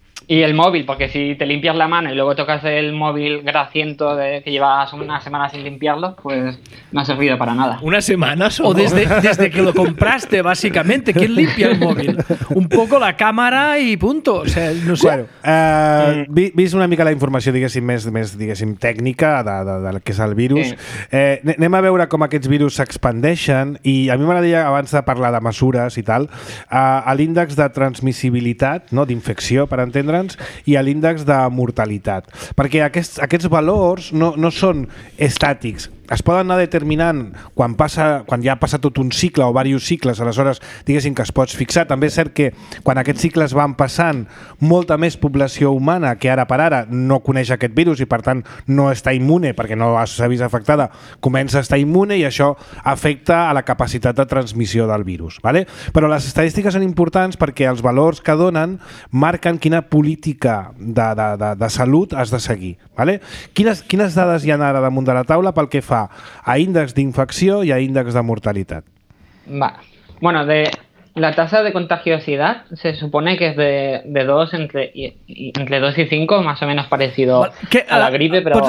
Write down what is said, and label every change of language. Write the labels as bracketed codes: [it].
[es] Y el móvil, porque si te limpias la mano y luego tocas el móvil graciento de que llevas una semana sin limpiarlo, pues no ha servido para nada. ¿Una semana? ¿Cómo? O desde que lo compraste, básicamente. ¿Quién limpia el móvil? Un poco la cámara y punto. O sea, no sé. [ca] Bueno, vist una mica la informació, diguéssim, més diguéssim, tècnica de que és el virus, anem a veure com aquests virus s'expandeixen i a mi m'agradaria, abans de parlar de mesures i tal, a l'índex de transmissibilitat, no, d'infecció, per entendre, i a l'índex de mortalitat, perquè aquests valors no són estàtics, es poden anar determinant quan ja ha passat tot un cicle o diversos cicles, aleshores diguéssim que es pots fixar. També és cert que quan aquests cicles van passant, molta més població humana que ara per ara no coneix aquest virus i per tant no està immune perquè no s'ha vist afectada, comença a estar immune i això afecta a la capacitat de transmissió del virus, ¿vale? Però les estadístiques són importants perquè els valors que donen marquen quina política de salut has de seguir, ¿vale? Quines dades hi ha ara damunt de la taula pel que fa a índex d'infecció i a índex de mortalitat? Va. [es] Bueno, de la tasa de contagiositat se supone que es de 2 entre 2 i 5, más o menos parecido a la gripe, però...